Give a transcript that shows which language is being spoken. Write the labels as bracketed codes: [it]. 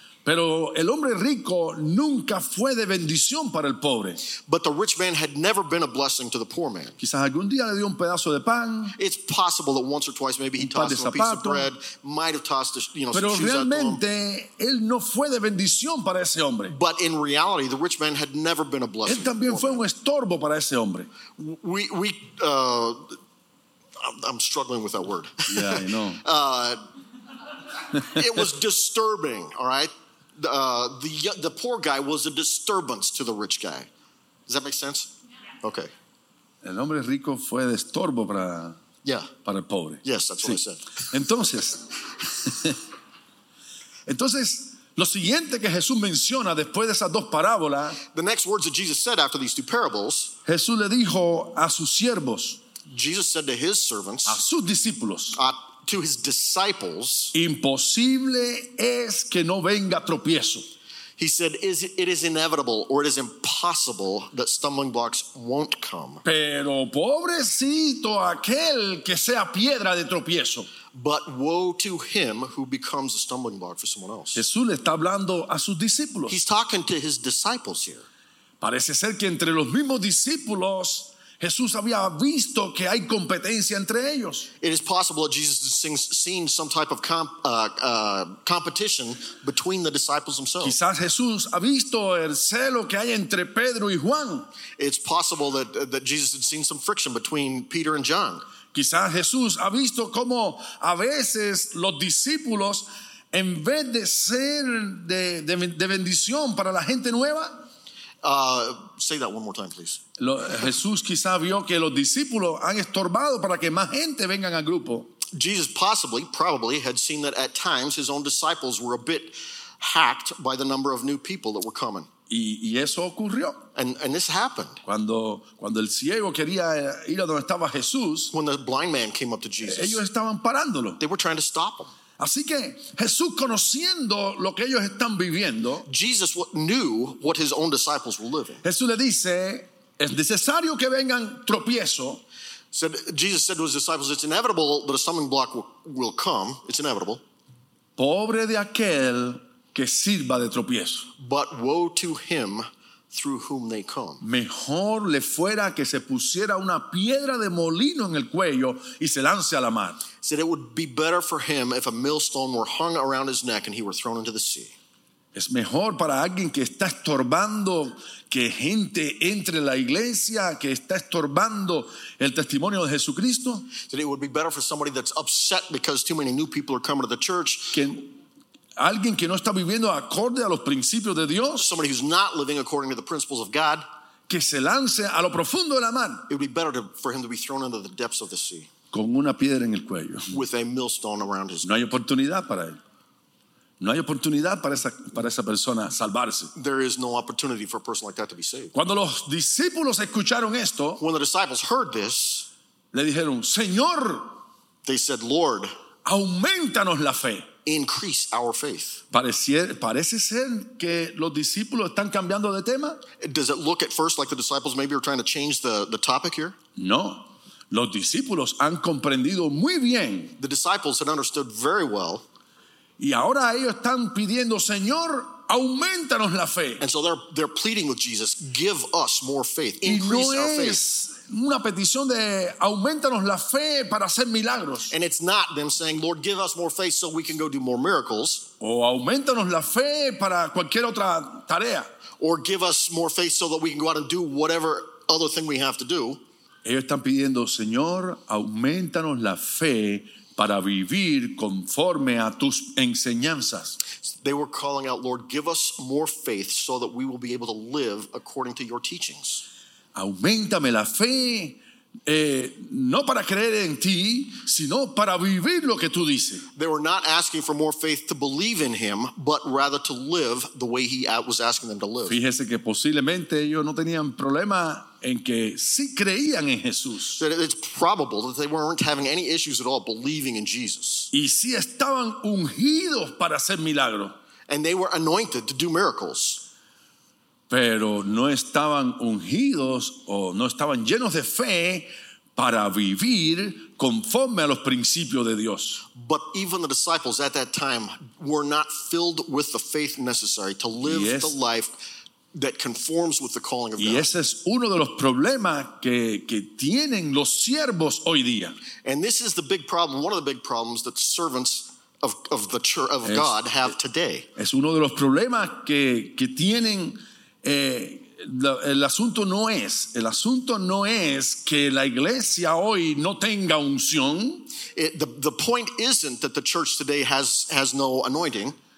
[es] Pero el hombre rico nunca fue de bendición para el pobre. [en] But the rich man had never been a blessing to the poor man. [es] Quizás algún día le dio un pedazo de pan. [en] It's possible that once or twice maybe he tossed him a piece of bread, might have tossed his, you know, [es] pero [en] shoes [es] realmente [en] out [es] él no fue de bendición para ese hombre. [en] But in reality, the rich man had never been a blessing. [es] Él también [en] to the poor [es] fue [en] man. [es] Un estorbo para ese hombre. [en] I'm struggling with that word. Yeah, I know. It was disturbing, all right? The poor guy was a disturbance to the rich guy. Does that make sense? Yeah. Okay. [es] El hombre rico fue de estorbo para para el pobre. [en] Yes, that's what I said. [es] Entonces, lo siguiente que Jesús menciona después de esas dos parábolas. [en] The next words that Jesus said after these two parables. [es] Jesús le dijo a sus siervos. [en] Jesus said to his servants. [es] A sus discípulos. [en] To his disciples, [es] imposible es que no venga tropiezo. [en] He said, it is inevitable or it is impossible that stumbling blocks won't come. [es] Pero pobrecito aquel que sea piedra de tropiezo. [en] But woe to him who becomes a stumbling block for someone else. [es] Jesús le está hablando a sus discípulos. [en] He's talking to his disciples here. [es] Parece ser que entre los mismos discípulos Jesús había visto que hay competencia entre ellos. [en] It is possible that Jesus has seen some type of competition between the disciples themselves. [es] Quizás Jesús ha visto el celo que hay entre Pedro y Juan. [en] It's possible that Jesus had seen some friction between Peter and John. [es] Quizás Jesús ha visto cómo a veces los discípulos, en vez de ser de bendición para la gente nueva, [en] say that one more time, please. [es] Jesús quizá vio que los discípulos han estorbado para que más gente vengan al grupo. [en] Jesus possibly, probably, had seen that at times his own disciples were a bit hacked by the number of new people that were coming. [es] Y eso ocurrió. [en] And this happened. [es] Cuando el ciego quería ir a donde estaba Jesús, [en] when the blind man came up to Jesus, [es] ellos estaban parándolo. [en] They were trying to stop him. [es] Así que Jesús, conociendo lo que ellos están viviendo, [en] Jesus knew what his own disciples were living. [es] Jesús le dice, es necesario que vengan tropiezo. [en] Said, Jesus said to his disciples, it's inevitable that a stumbling block will come. It's inevitable. [es] Pobre de aquel que sirva de tropiezo. [en] But woe to him through whom they come. [es] Mejor le fuera que se pusiera una piedra de molino en el cuello y se lance a la mar. [en] Said it would be better for him if a millstone were hung around his neck and he were thrown into the sea. [es] Es mejor para alguien que está estorbando que gente entre la iglesia, que está estorbando el testimonio de Jesucristo. [en] Said it would be better for somebody that's upset because too many new people are coming to the church. [es] Alguien que no está viviendo acorde a los principios de Dios. [en] Somebody who's not living according to the principles of God. [es] Que se lance a lo profundo de la mar. [en] It would be better for him to be thrown into the depths of the sea. [es] Con una piedra en el cuello. [en] With a millstone around his neck. [es] No hay oportunidad para él. No hay oportunidad para esa persona salvarse. [en] There is no opportunity for a person like that to be saved. [es] Cuando los discípulos escucharon esto, [en] when the disciples heard this, [es] le dijeron, Señor, [en] they said, Lord, [es] auméntanos la fe. [en] Increase our faith. [es] Parece ser que los discípulos están cambiando de tema. [en] Does it look at first like the disciples maybe are trying to change the topic here? [es] No. Los discípulos han comprendido muy bien. [en] The disciples had understood very well. [es] Y ahora ellos están pidiendo, Señor, auméntanos la fe. [en] And so they're pleading with Jesus, give us more faith, increase [es] y no [en] our faith. [es] Es una petición de auméntanos la fe para hacer milagros. [en] And it's not them saying, Lord, give us more faith so we can go do more miracles. [es] O auméntanos la fe para cualquier otra tarea. [en] Or give us more faith so that we can go out and do whatever other thing we have to do. [es] Ellos están pidiendo, Señor, auméntanos la fe para vivir conforme a tus enseñanzas. [en] They were calling out, Lord, give us more faith so that we will be able to live according to your teachings. [es] Auméntame la fe, no para creer en ti, sino para vivir lo que tú dices. [en] They were not asking for more faith to believe in him, but rather to live the way he was asking them to live. [es] Fíjese que posiblemente ellos no tenían problema en que sí creían en Jesús. [en] So it's probable that they weren't having any issues at all believing in Jesus. [es] Y sí estaban ungidos para hacer milagros. [en] And they were anointed to do miracles. [es] Pero no estaban ungidos o no estaban llenos de fe para vivir conforme a los principios de Dios. [en] But even the disciples at that time were not filled with the faith necessary to live the life that conforms with the calling of God. [es] Y ese es uno de los problemas que tienen los siervos hoy día. [en] And this is the big problem, one of the big problems that servants of the church of God have today. [es] Es uno de los problemas que tienen. El asunto no es que la iglesia hoy no tenga unción. [en] The point isn't that the church today has no anointing.